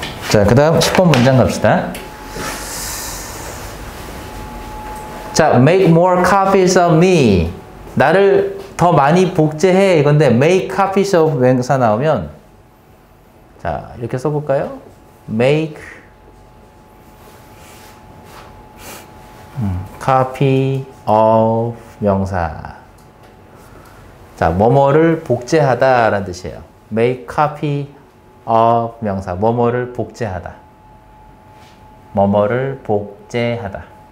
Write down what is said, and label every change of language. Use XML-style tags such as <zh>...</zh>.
<ko>자, 그 다음 10번 문장 갑시다. 자,</ko> <en>make more copies of me.</en> <ko>나를 더 많이 복제해. 이건데, make copies of 명사 나오면, 자, 이렇게 써볼까요? make copy of 명사. 자, 뭐뭐를 복제하다 라는 뜻이에요. make copy of 명사, 뭐뭐를 복제하다. 뭐뭐를 복제하다.</ko>